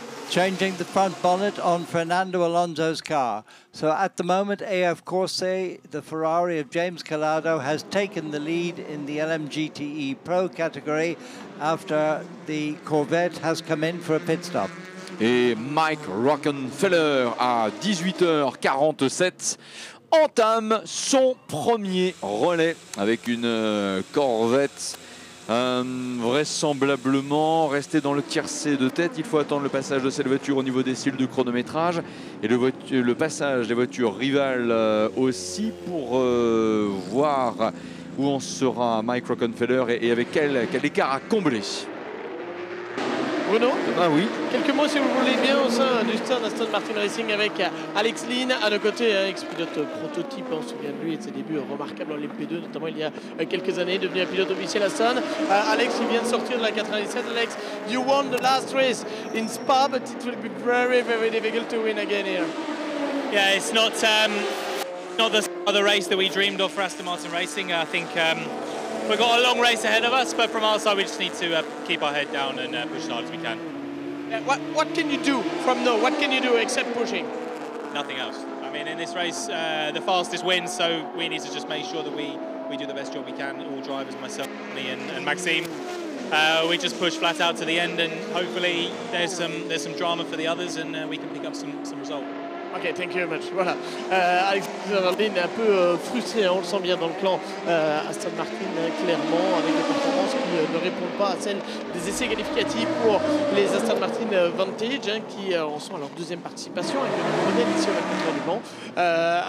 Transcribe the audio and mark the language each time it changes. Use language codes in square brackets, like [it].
[en] Changing the front bonnet on Fernando Alonso's car. So at the moment, AF Corse, the Ferrari of James Calado, has taken the lead in the LMGTE Pro category after the Corvette has come in for a pit stop. [fr] Et Mike Rockenfeller à 18h47. Entame son premier relais avec une Corvette vraisemblablement restée dans le tiercé de tête. Il faut attendre le passage de cette voiture au niveau des cils du chronométrage et le passage des voitures rivales aussi pour voir où en sera Mike Rockenfeller et avec quel écart à combler. Bruno, ah oui. Quelques mots si vous voulez bien au sein du stand Aston Martin Racing avec Alex Lynn à nos côtés, ex-pilote prototype, on se souvient de lui et de ses débuts remarquables en LMP2, notamment il y a quelques années, devenu un pilote officiel Aston. Alex, il vient de sortir de la 97. [en] Alex, you won the last race in Spa, but it will be very, very difficult to win again here. Yeah, it's not not the race that we dreamed of for Aston Martin Racing. I think we've got a long race ahead of us, but from our side, we just need to keep our head down and push as hard as we can. Yeah, what can you do from now? What can you do except pushing? Nothing else. I mean, in this race, the fastest wins, so we need to just make sure that we do the best job we can, all drivers, myself, me and Maxime. We just push flat out to the end, and hopefully there's some drama for the others, and we can pick up some results. Ok, thank you very much. Voilà. [fr] Alexander Lynn est un peu frustré, on le sent bien dans le clan Aston Martin, clairement, avec des performances qui ne répondent pas à celles des essais qualificatifs pour les Aston Martin Vantage, hein, qui en sont à leur deuxième participation avec le modèle ici au 24 Heures du Mans.